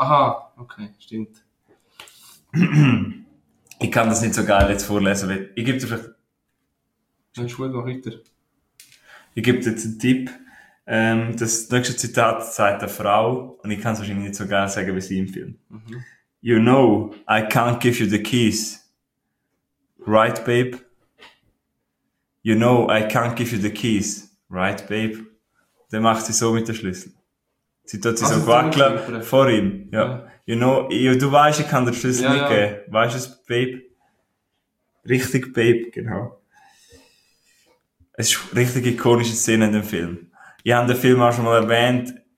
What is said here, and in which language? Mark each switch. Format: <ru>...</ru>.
<de>Aha, okay, stimmt. Ich kann das nicht so geil jetzt vorlesen, weil ich gebe dir vielleicht... Dann schwul, mach weiter. Ich gebe dir jetzt einen Tipp. Das nächste Zitat sagt eine Frau, und ich kann es wahrscheinlich nicht so geil sagen wie sie im Film. Mhm.</de> <en>You know, I can't give you the keys. Right, babe? You know, I can't give you the keys. Right, babe?</en> <de>Dann macht sie so mit dem Schlüssel. Sie tut sich also so wackeln vor ihm. Ja. Ja.</de> <en>You know,</en> <de>du weißt, ich kann den Schlüssel nicht geben. Weißt du es, Babe? Richtig, Babe, genau. Es ist eine richtig ikonische Szene in dem Film. Ich habe den Film auch schon mal erwähnt.</de>